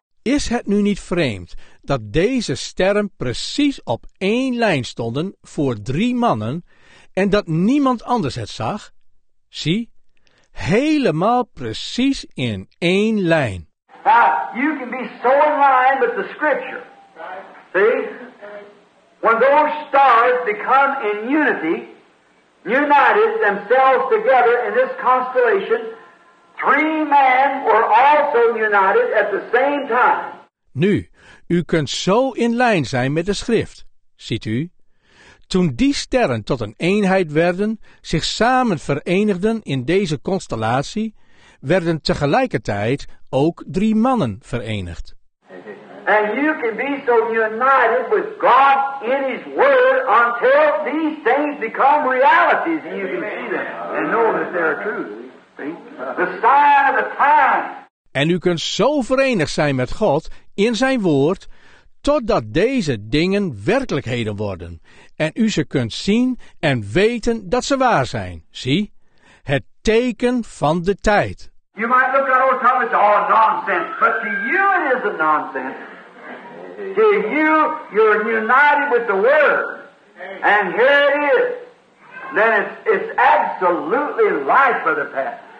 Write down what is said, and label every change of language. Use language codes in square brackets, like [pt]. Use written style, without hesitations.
[nl] Is het nu niet vreemd dat deze sterren precies op één lijn stonden voor drie mannen en dat niemand anders het zag? Zie, helemaal precies in één lijn. [en] Now, you can be so in line with the scripture. See? When those stars become in unity, united themselves together in this constellation, three men were also united at the same time. [nl] Nu, u kunt zo in lijn zijn met de schrift, ziet u? Toen die sterren tot een eenheid werden, zich samen verenigden in deze constellatie, werden tegelijkertijd ook drie mannen verenigd. [en] And you can be so united with God in his word until these things become realities and you can see them and know that they are true. The sign of the time. [nl] En u kunt zo verenigd zijn met God in zijn woord, totdat deze dingen werkelijkheden worden. En u ze kunt zien en weten dat ze waar zijn. Zie, het teken van de tijd. [en] You might look at old Thomas, all nonsense. But to you it is a nonsense. To you, you're united with the Word. And here it is. Then it's absolutely life for the past.